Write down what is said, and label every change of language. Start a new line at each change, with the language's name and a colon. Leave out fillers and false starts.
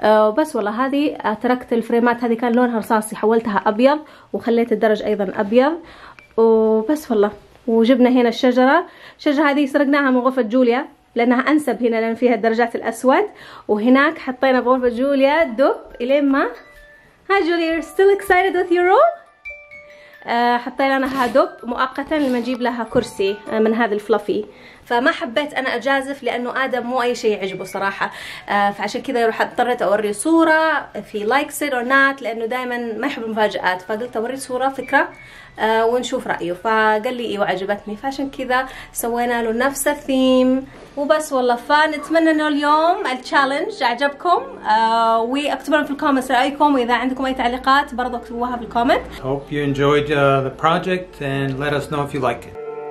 Arabic: بس والله هذه تركت الفريمات هذه كان لونها رصاصي حولتها أبيض وخليت الدرج أيضا أبيض. وبس والله وجبنا هنا الشجرة. الشجرة هذه سرقناها من غرفة جوليا لأنها أنسب هنا لأن فيها الدرجات الأسود. وهناك حطينا في غرفة جوليا دب إلين ما.
English: Hi Julia, you're still excited with your room?
Arabic: حطينا لها دب مؤقتا لما نجيب لها كرسي من هذا الفلافي. فما حبيت أنا أجازف لأنه آدم مو أي شيء يعجبه صراحة. فعشان كذا روح اضطرت أوري صورة في
English: likes it or not
Arabic: لأنه دائما ما يحب المفاجآت. فقلت أوري صورة فكرة ونشوف رأيه. فقال لي إيوه عجبتني فعشان كذا سوينا له نفس الثيم. وبس والله فنتمنى أنه اليوم التشالنج عجبكم. واكتبوا لنا في الكومنت رأيكم وإذا عندكم أي تعليقات برضو اكتبوها في الكومنت.
English: Hope you enjoyed the project and let us know if you like it.